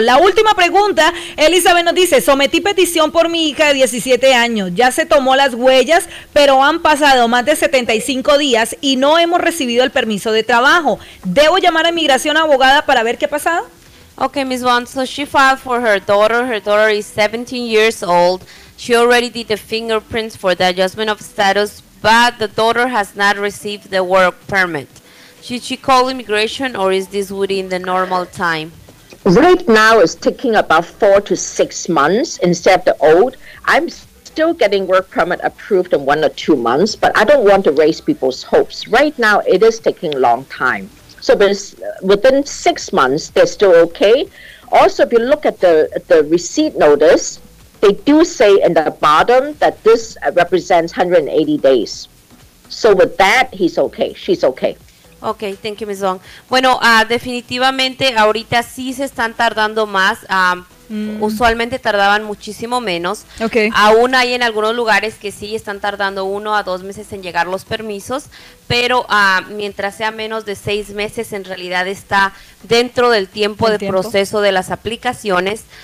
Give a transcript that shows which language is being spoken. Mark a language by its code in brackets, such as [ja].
[es] La última pregunta, Elizabeth nos dice, sometí petición por mi hija de 17 años, ya se tomó las huellas, pero han pasado más de 75 días y no hemos recibido el permiso de trabajo. ¿Debo llamar a inmigración, abogada, para ver qué ha pasado? [en] Okay, Ms. Wong, so she filed for her daughter. Her daughter is 17 years old. She already did the fingerprints for the adjustment of status, but the daughter has not received the work permit. Should she call immigration, or is this within the normal time? Right now, it's taking about 4 to 6 months instead of the old. I'm still getting work permit approved in 1 or 2 months, but I don't want to raise people's hopes. Right now, it is taking a long time. So within 6 months, they're still okay. Also, if you look at the receipt notice, they do say in the bottom that this represents 180 days. So with that, he's okay. She's okay. Okay, thank you, Ms. Wong. [es] Bueno, definitivamente ahorita sí se están tardando más. Usualmente tardaban muchísimo menos. [en] Okay. [es] Aún hay en algunos lugares que sí están tardando 1 a 2 meses en llegar los permisos, pero mientras sea menos de 6 meses, en realidad está dentro del tiempo de proceso de las aplicaciones.